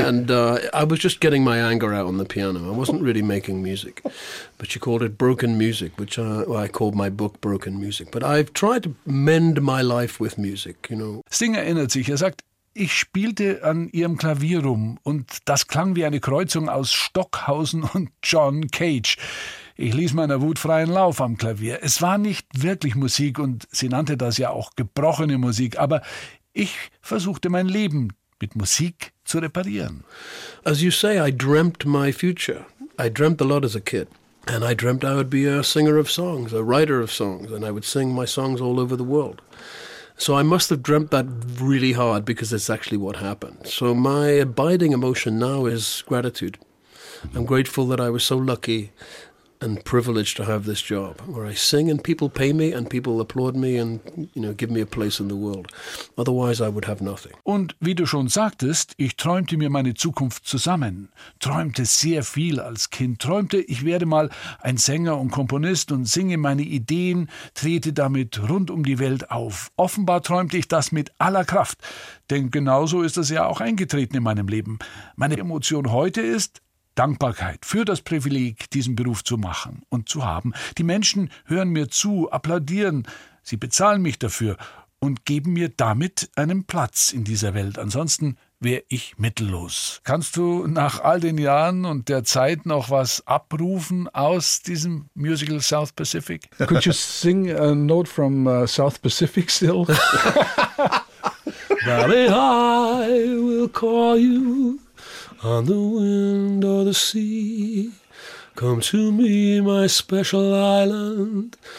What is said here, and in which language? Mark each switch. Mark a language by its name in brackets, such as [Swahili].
[English] And I was just getting my anger out on the piano. I wasn't really making music, but she called it broken music, which I called my book Broken Music. But I've tried to mend my life with music, you know. [German] Sting erinnert sich, sagt, ich spielte an ihrem Klavier rum und das klang wie eine Kreuzung aus Stockhausen und John Cage. Ich ließ meiner Wut freien Lauf am Klavier. Es war nicht wirklich Musik und sie nannte das ja auch gebrochene Musik, aber ich versuchte mein Leben mit Musik zu reparieren. As you say, I dreamt my future. I dreamt a lot as a kid. And I dreamt I would be a singer of songs, a writer of songs, and I would sing my songs all over the world. So I must have dreamt that really hard because that's actually what happened. So my abiding emotion now is gratitude. I'm grateful that I was so lucky and privileged to have this job where I sing and people pay me and people applaud me and, you know, give me a place in the world. Otherwise I would have nothing. Und wie du schon sagtest, ich träumte mir meine Zukunft zusammen. Träumte sehr viel als Kind. Träumte, ich werde mal ein Sänger und Komponist und singe meine Ideen, trete damit rund um die Welt auf. Offenbar träumte ich das mit aller Kraft. Denn genauso ist das ja auch eingetreten in meinem Leben. Meine Emotion heute ist Dankbarkeit für das Privileg, diesen Beruf zu machen und zu haben. Die Menschen hören mir zu, applaudieren, sie bezahlen mich dafür und geben mir damit einen Platz in dieser Welt. Ansonsten wäre ich mittellos. Kannst du nach all den Jahren und der Zeit noch was abrufen aus diesem Musical South Pacific? [English] Could you sing a note from South Pacific still? Valley High will call you. On the wind or the sea, come to me, my special island.